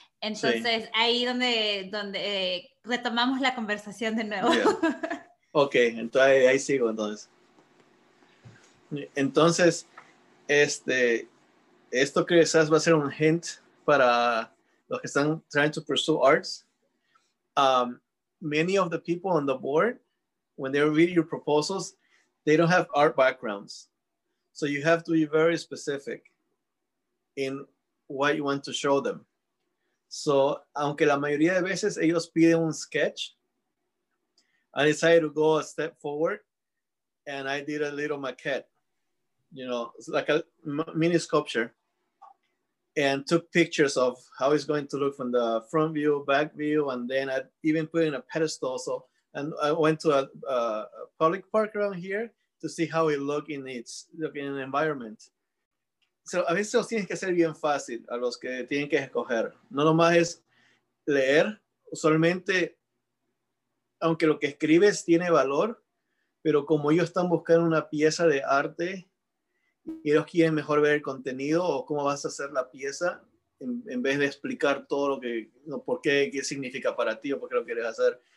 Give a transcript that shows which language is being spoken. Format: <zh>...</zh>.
<es>Entonces, sí. Ahí donde retomamos la conversación de nuevo. Yeah. Ok, entonces ahí sigo entonces. Entonces, esto quizás va a ser un hint para los que están</es> <en>trying to pursue arts. Many of the people on the board, when they read your proposals, they don't have art backgrounds. So you have to be very specific in what you want to show them. So,</en> <es>aunque la mayoría de veces ellos piden un sketch,</es> <en>I decided to go a step forward and I did a little maquette. You know, it's like a mini sculpture, and took pictures of how it's going to look from the front view, back view, and then I even put in a pedestal. So, and I went to a public park around here to see how it looked in its looking environment.</en> <es>So, a veces los tienes que hacer bien fácil a los que tienen que escoger. No nomás es leer, usualmente, aunque lo que escribes tiene valor, pero como ellos están buscando una pieza de arte, y ellos quieren mejor ver el contenido o cómo vas a hacer la pieza en vez de explicar todo lo que, no, por qué, qué significa para ti o por qué lo quieres hacer.</es>